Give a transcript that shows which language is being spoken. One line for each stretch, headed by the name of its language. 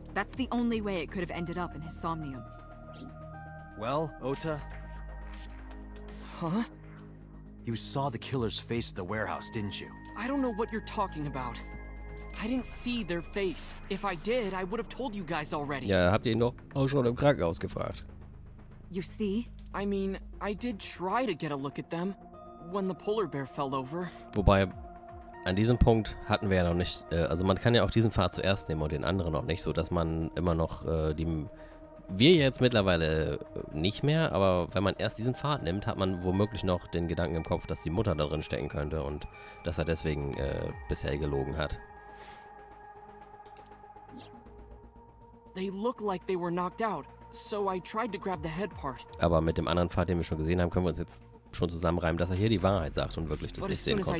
English: That's the only way it could have ended up in his Somnium. Well, Ota? Huh? You saw the killer's face at the warehouse, didn't you? I don't know what you're talking about. I didn't see their face. If I did, I would have told you guys already.
German: Ja, habt ihr ihn doch auch schon im Krankenhaus gefragt.
English: You see? I mean, I did try to get a look at them. When the polar bear fell over.
German: Wobei, an diesem Punkt hatten wir ja noch nicht, also man kann ja auch diesen Pfad zuerst nehmen und den anderen noch nicht, so dass man immer noch wir jetzt mittlerweile nicht mehr, aber wenn man erst diesen Pfad nimmt, hat man womöglich noch den Gedanken im Kopf, dass die Mutter da drin stecken könnte und dass er deswegen bisher gelogen hat.
English: They look like they were knocked out, so I tried to grab the head part.
German: Aber mit dem anderen Pfad, den wir schon gesehen haben, können wir uns jetzt schon zusammenreimen, dass er hier die Wahrheit sagt und wirklich das nicht sehen konnte.